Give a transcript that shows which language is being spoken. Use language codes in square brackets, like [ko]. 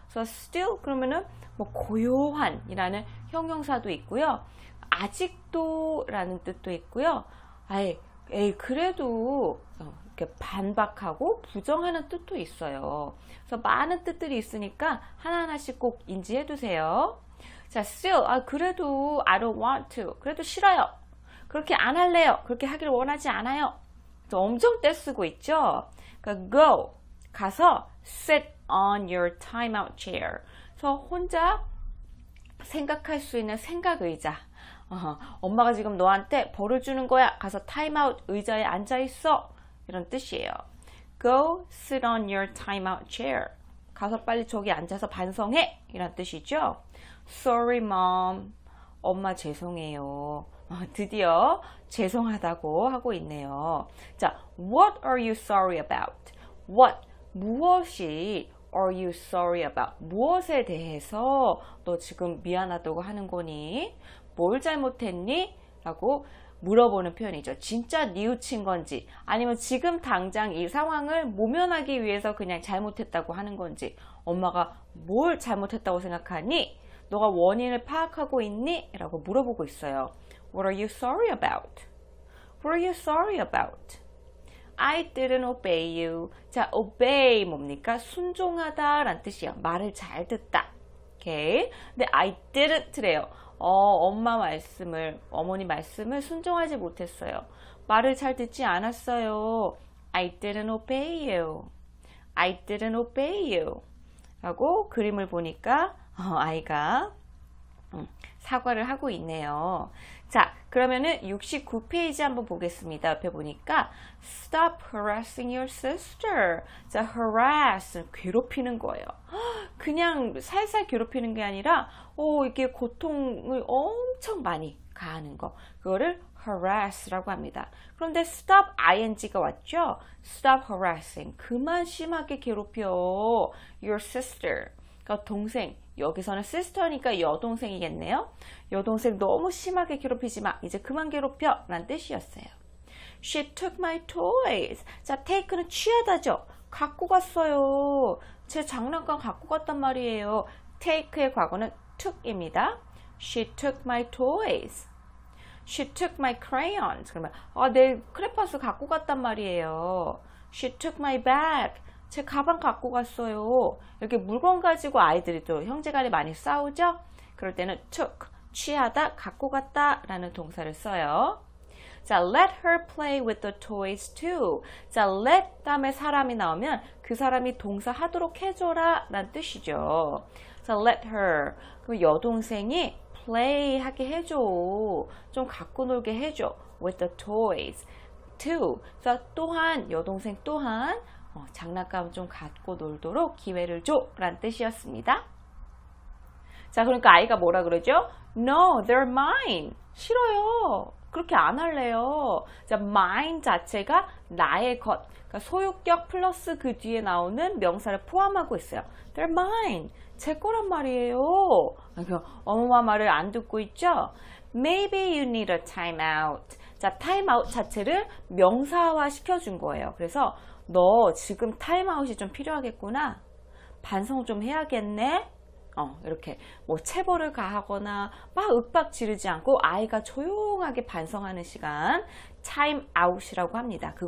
[en] So still [ko] 그러면은, 뭐, 고요한이라는 형용사도 있고요. 아직도라는 뜻도 있고요. 아예, 에이, 그래도, 반박하고 부정하는 뜻도 있어요. 그래서 많은 뜻들이 있으니까 하나하나씩 꼭 인지해 두세요. [en] 자, still, 아, 그래도 I don't want to. [ko] 그래도 싫어요. 그렇게 안 할래요. 그렇게 하길 원하지 않아요. 엄청 떼쓰고 있죠? 그러니까 go. 가서 [en] sit on your timeout chair. [ko] 그래서 혼자 생각할 수 있는 생각 의자. 엄마가 지금 너한테 벌을 주는 거야. 가서 타임아웃 의자에 앉아 있어. [en] 이런 뜻이에요. Go sit on your timeout chair. [ko] 가서 빨리 저기 앉아서 반성해. 이런 뜻이죠. [en] Sorry, mom. [ko] 엄마 죄송해요. 드디어 죄송하다고 하고 있네요. [en] 자, what are you sorry about? What? 무엇이 are you sorry about? [ko] 무엇에 대해서 너 지금 미안하다고 하는 거니? 뭘 잘못했니? 라고 물어보는 표현이죠. 진짜 뉘우친 건지, 아니면 지금 당장 이 상황을 모면하기 위해서 그냥 잘못했다고 하는 건지, 엄마가 뭘 잘못했다고 생각하니? 너가 원인을 파악하고 있니? 라고 물어보고 있어요. [en] What are you sorry about? What are you sorry about? I didn't obey you. 자, obey [ko] 뭡니까? 순종하다란 뜻이에요. 말을 잘 듣다. 오케이. Okay. 근데 I didn't래요. 엄마 말씀을, 어머니 말씀을 순종하지 못했어요. 말을 잘 듣지 않았어요. [en] I didn't obey you. I didn't obey you. [ko] 라고 그림을 보니까, 아이가, 사과를 하고 있네요. 자, 그러면은 69페이지 한번 보겠습니다. [en] 옆에 보니까, stop harassing your sister. [ko] 자, harass, 괴롭히는 거예요. 그냥 살살 괴롭히는 게 아니라, 이게 고통을 엄청 많이 가하는 거. 그거를 harass라고 합니다. 그런데 stop ing가 왔죠? stop harassing. 그만 심하게 괴롭혀. your sister. 그러니까 동생. 여기서는 sister니까 여동생이겠네요. 여동생 너무 심하게 괴롭히지 마. 이제 그만 괴롭혀. 라는 뜻이었어요. [en] She took my toys. [ko] 자, take는 취하다죠? 갖고 갔어요. 제 장난감 갖고 갔단 말이에요. take의 과거는 took입니다. [en] She took my toys. She took my crayons. [ko] 그러면, 내 크레파스 갖고 갔단 말이에요. [en] She took my bag. [ko] 제 가방 갖고 갔어요. 이렇게 물건 가지고 아이들이 또 형제간에 많이 싸우죠? 그럴 때는 took, 취하다, 갖고 갔다라는 동사를 써요. [en] 자, let her play with the toys too. [ko] 자, let 다음에 사람이 나오면 그 사람이 동사하도록 해줘라 라는 뜻이죠. [en] 자, let her. [ko] 그럼 여동생이 play 하게 해줘. 좀 갖고 놀게 해줘. [en] with the toys too. [ko] 자, 또한, 여동생 또한 장난감 좀 갖고 놀도록 기회를 줘. 라는 뜻이었습니다. 자, 그러니까 아이가 뭐라 그러죠? [en] No, they're mine. [ko] 싫어요. 그렇게 안 할래요. 자, mine 자체가 나의 것. 그러니까 소유격 플러스 그 뒤에 나오는 명사를 포함하고 있어요. [en] They're mine. [ko] 제 거란 말이에요. 그러니까 엄마 말을 안 듣고 있죠? [en] Maybe you need a time out. [ko] 자, time out 자체를 명사화 시켜준 거예요. 그래서 너 지금 time out이 좀 필요하겠구나. 반성 좀 해야겠네. 이렇게 뭐 체벌을 가하거나 막 윽박 지르지 않고 아이가 조용하게 반성하는 시간 타임 아웃이라고 합니다.